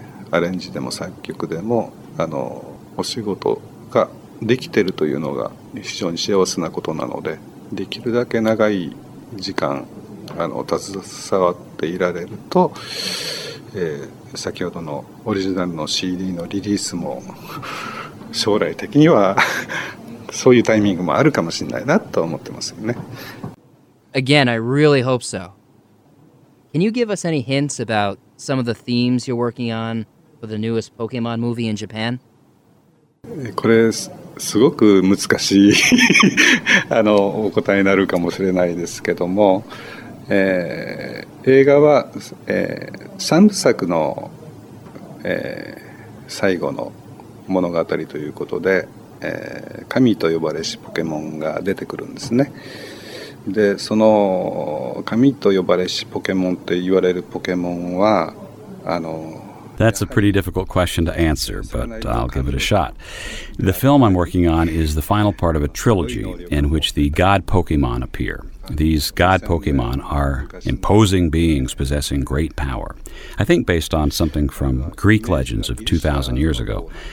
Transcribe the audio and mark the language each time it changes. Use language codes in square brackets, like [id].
[ja] アレンジでも作曲でもあのお仕事ができてるというのが非常に幸せなことなので、できるだけ長い時間あの携わっていられると、先ほどのオリジナルの CD のリリースも将来的にはそういうタイミングもあるかもしれないなと思ってますよね。 [en] Again, I really hope so. Can you give us any hints aboutsome of the themes you're working on for the newest Pokemon movie in Japan? [ja] これすごく難しいあのお答えになるかもしれないですけども、映画は、三部作の、最後の物語ということで、神と呼ばれしポケモンが出てくるんですね。でその神と呼ばれしポケモンって言われるポケモンはあの [en] That's a pretty difficult question to answer, but I'll give it a shot. The film I'm working on is the final part of a trilogy in which the god Pokemon appear. These god Pokemon are imposing beings possessing great power. I think based on something from Greek legends of 2,000 years ago.